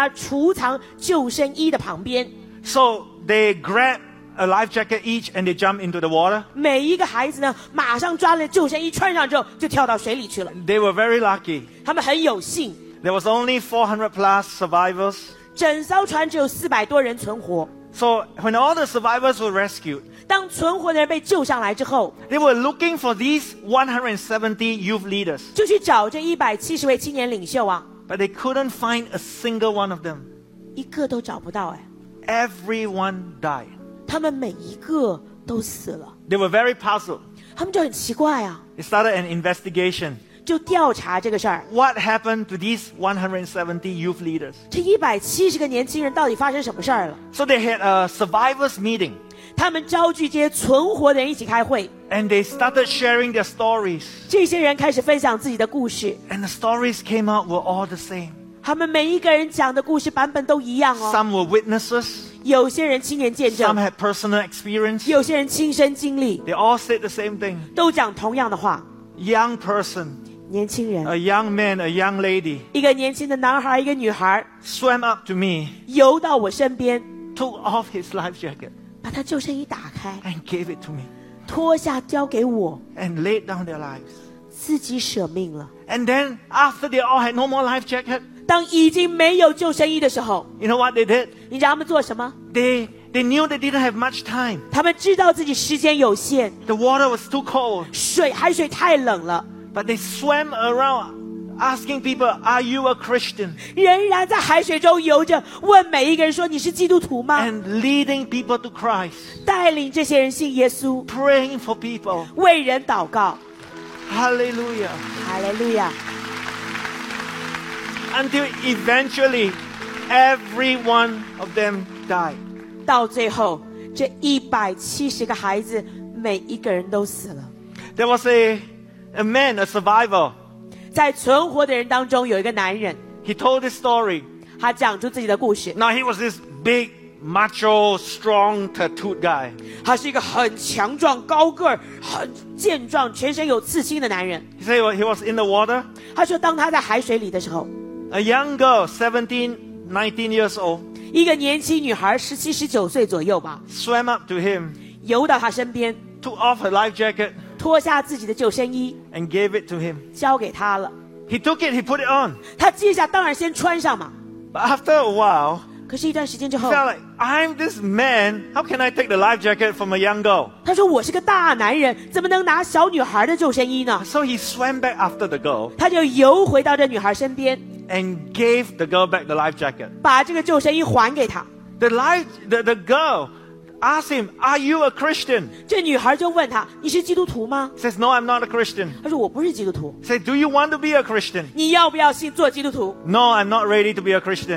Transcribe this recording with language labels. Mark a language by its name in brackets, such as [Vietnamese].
[Chinese] 他们的船舱刚好就在人家储藏救生衣的旁边. [English] So they grabbed a life jacket each and they jumped into the water. [Chinese] 每一个孩子呢，马上抓了救生衣穿上之后就跳到水里去了. [English] They were very lucky. [Chinese] 他们很有幸. [English] There was only 400 plus survivors. [Chinese] 整艘船只有400多人存活。 [English] So when all the survivors were rescued, [Chinese] 当存活的人被救上来之后 [English] They were looking for these 170 youth leaders [Chinese] 就去找这170位青年领袖啊 [English] But they couldn't find a single one of them [Chinese] 一个都找不到哎 [English] Everyone died [Chinese] 他们每一个都死了 [English] They were very puzzled [Chinese] 他们就很奇怪啊 [English] They started an investigation [Chinese] 就调查这个事儿 [English] What happened to these 170 youth leaders [Chinese] 这170个年轻人到底发生什么事儿了 [English] So they had a survivors meeting [Chinese] 他们召聚这些存活的人一起开会 [English] And they started sharing their stories [Chinese] 这些人开始分享自己的故事 [English] And the stories came out were all the same [Chinese] 他们每一个人讲的故事版本都一样哦 [English] Some were witnesses [Chinese] 有些人亲眼见证 [English] Some had personal experience [Chinese] 有些人亲身经历 [English] They all said the same thing [Chinese] 都讲同样的话 [English] Young person [Chinese] 年轻人 [English] A young man, a young lady [Chinese] 一个年轻的男孩一个女孩 [English] Swam up to me [Chinese] 游到我身边 [English] Took off his life jacket [Chinese] 把他救生衣打开 [English] and gave it to me [Chinese] 脱下交给我 [English] and laid down their lives [Chinese] 自己舍命了 [English] and then after they all had no more life jacket [Chinese] 当已经没有救生衣的时候 [English] you know what they did [Chinese] 你知道他们做什么 [English] they knew they didn't have much time [Chinese] 他们知道自己时间有限 [English] the water was too cold [Chinese] 水海水太冷了 [English] but they swam around asking people are you a Christian [Chinese] 仍然在海水中游着问每一个人说你是基督徒吗 [English] and leading people to Christ [Chinese] 带领这些人信耶稣 [English] praying for people [Chinese] 为人祷告 [English] Hallelujah Hallelujah until eventually every one of them died [Chinese] 到最后这170个孩子每一个人都死了 [English] there was a man a survivor [Chinese] 在存活的人当中有一个男人 [English] He told this story [Chinese] 他讲出自己的故事 [English] Now he was this big macho strong tattooed guy [Chinese] 他是一个很强壮高个很健壮全身有刺青的男人 [English] He said he was in the water [Chinese] 他说当他在海水里的时候 [English] A young girl 17-19 years old [Chinese] 一个年轻女孩17-19岁左右吧 [English] Swam up to him [Chinese] 游到他身边 [English] Took off her life jacket [Chinese] 脱下自己的救生衣 [English] and gave it to him [Chinese] 交给他了 [English] he took it he put it on [Chinese] 他接下当然先穿上嘛 [English] but after a while [Chinese] 可是一段时间之后 [English] he felt like I'm this man how can I take the life jacket from a young girl [Chinese] 他说我是个大男人怎么能拿小女孩的救生衣呢 [English] so he swam back after the girl [Chinese] 他就游回到这女孩身边 [English] and gave the girl back the life jacket [Chinese] 把这个救生衣还给她 [English] the girlAsked him, "Are you a Christian?" [Chinese] 这女孩就问他，你是基督徒吗 [English] ？Says, "No, I'm not a Christian." [Chinese] 他说我不是基督徒。 [English] Says, "Do you want to be a Christian?" [Chinese] 你要不要信做基督徒 [English] ？No, I'm not ready to be a Christian.